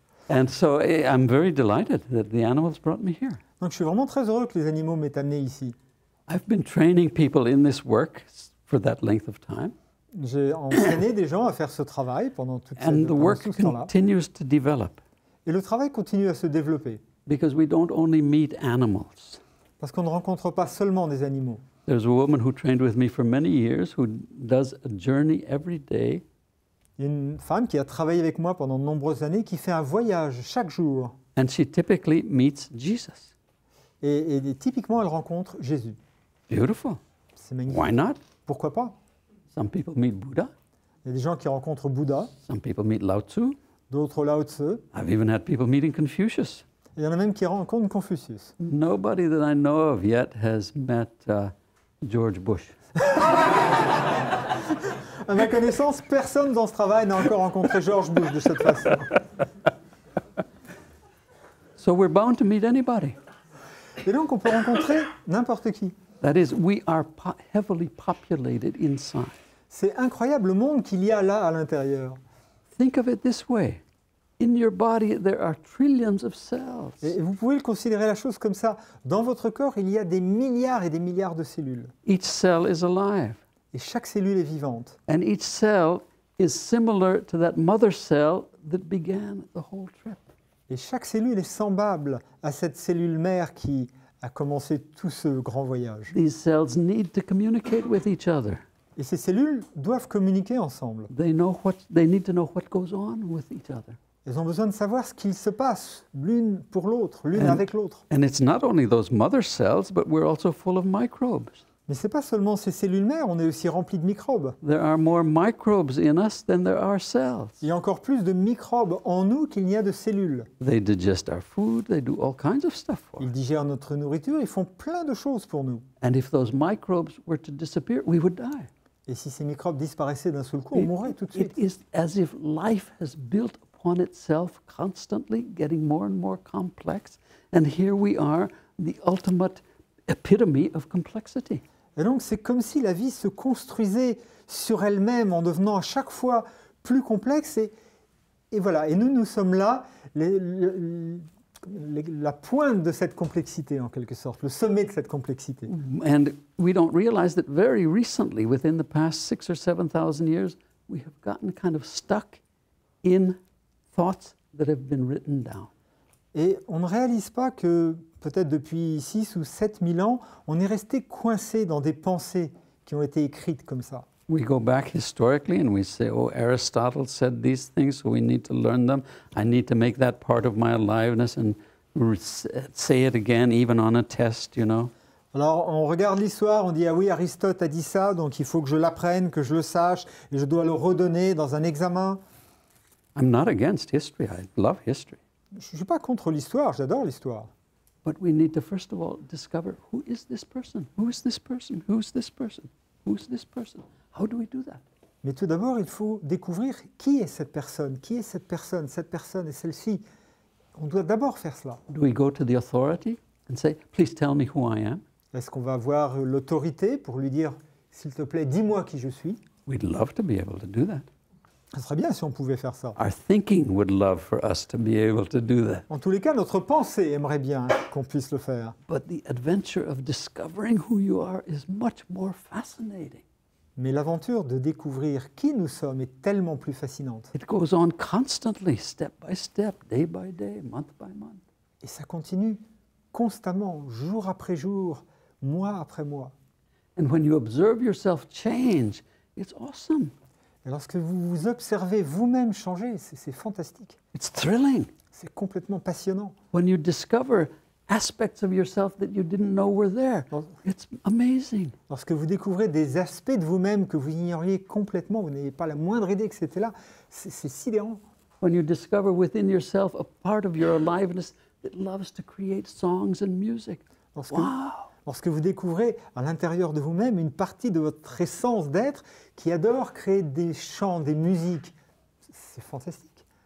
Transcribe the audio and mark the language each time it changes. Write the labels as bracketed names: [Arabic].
[English] And so I'm very delighted that the animals brought me here. [French] Donc je suis vraiment très heureux que les animaux m'aient amené ici. [English] I've been training people in this work for that length of time. [French] J'ai entraîné des gens à faire ce travail pendant tout ce temps-là. [English] And the work continues to develop. [French] Et le travail continue à se développer. [English] Because we don't only meet animals. [French] Parce qu'on ne rencontre pas seulement des animaux. [English] There's a woman who trained with me for many years who does a journey every day. [French] Une femme qui a travaillé avec moi pendant de nombreuses années qui fait un voyage chaque jour. [English] And she typically meets Jesus. [French] Et typiquement elle rencontre Jésus. [English] Beautiful. [French] C'est magnifique. [English] Why not? [French] Pourquoi pas? [English] Some people meet Buddha. [French] Il y a des gens qui rencontrent Bouddha. [English] Some people meet Lao Tzu. [French] D'autres Lao Tzu. [English] I've even had people meeting Confucius. [French] Il y en a même qui rencontrent Confucius. [English] Nobody that I know of yet has met George Bush. [French] À ma connaissance, personne dans ce travail n'a encore rencontré George Bush de cette façon. [English] So we're bound to meet anybody. [French] Et donc on peut rencontrer n'importe qui. [English] That is, we are heavily populated inside. [French] C'est incroyable le monde qu'il y a là à l'intérieur. [English] Think of it this way. In your body, there are trillions of cells. [French] Et vous pouvez le considérer la chose comme ça. Dans votre corps, il y a des milliards et des milliards de cellules. [English] Each cell is alive. [French] Et chaque cellule est vivante. [English] And each cell is similar to that mother cell that began the whole trip. [French] Et chaque cellule est semblable à cette cellule mère qui a commencé tout ce grand voyage. [English] These cells need to communicate with each other. [French] Et ces cellules doivent communiquer ensemble. Elles ont besoin de savoir ce qu'il se passe l'une pour l'autre, l'une avec l'autre. [English] And it's not only those mother cells, but we're also full of microbes. [French] Mais c'est pas seulement ces cellules mères, on est aussi rempli de microbes. [English] There are more microbes in us than there are cells. [French] Il y a encore plus de microbes en nous qu'il n'y a de cellules. [English] They digest our food, they do all kinds of stuff for us. [French] Ils digèrent notre nourriture, ils font plein de choses pour nous. [English] And if those microbes were to disappear, we would die. [French] Et si ces microbes disparaissaient d'un seul coup, on mourrait tout de suite. [English] It is as if life has built upon itself constantly getting more and more complex, and here we are, the ultimate epitome of complexity. [French] Et donc c'est comme si la vie se construisait sur elle-même en devenant à chaque fois plus complexe et voilà, et nous sommes là la pointe de cette complexité en quelque sorte, le sommet de cette complexité. [English] And we don't realize that very recently, within the past 6,000 or 7,000 years, we have gotten kind of stuck in thoughts that have been written down. [French] Et on ne réalise pas que peut-être depuis 6 ou 7000 ans, on est resté coincé dans des pensées qui ont été écrites comme ça. [English] We go back historically and we say, oh, Aristotle said these things, so we need to learn them. I need to make that part of my aliveness and say it again, even on a test, you know. [French] Alors, on regarde l'histoire, on dit, ah oui, Aristote a dit ça, donc il faut que je l'apprenne, que je le sache, et je dois le redonner dans un examen. [English] I'm not against history, I love history. [French] Je ne suis pas contre l'histoire, j'adore l'histoire. [English] But we need to first of all discover who is this person? Who is this person? Who is this person? Who is this person? How do we do that? [French] Mais tout d'abord, il faut découvrir qui est cette personne? Qui est cette personne et celle-ci? On doit d'abord faire cela. [English] Do we go to the authority and say, please tell me who I am? [French] Est-ce qu'on va voir l'autorité pour lui dire, s'il te plaît, dis-moi qui je suis? [English] We'd love to be able to do that. [French] Ce serait bien si on pouvait faire ça. [English] Our thinking would love for us to be able to do that. [French] En tous les cas, notre pensée aimerait bien qu'on puisse le faire. [English] But the adventure of discovering who you are is much more fascinating. [French] Mais l'aventure de découvrir qui nous sommes est tellement plus fascinante. [English] It goes on constantly, step by step, day by day, month by month. [French] Et ça continue constamment, jour après jour, mois après mois. [English] And when you observe yourself change, it's awesome. [French] Et lorsque vous vous observez vous-même changer, c'est fantastique. [English] It's thrilling. [French] C'est complètement passionnant. [English] When you discover aspects of yourself that you didn't know were there, it's amazing. [French] Lorsque vous découvrez des aspects de vous-même que vous ignoriez complètement, vous n'avez pas la moindre idée que c'était là, c'est sidérant. [English] When you discover within yourself a part of your aliveness that loves to create songs and music. [French] Lorsque vous découvrez à l'intérieur de vous-même une partie de votre essence d'être qui adore créer des chants, des musiques, c'est fantastique.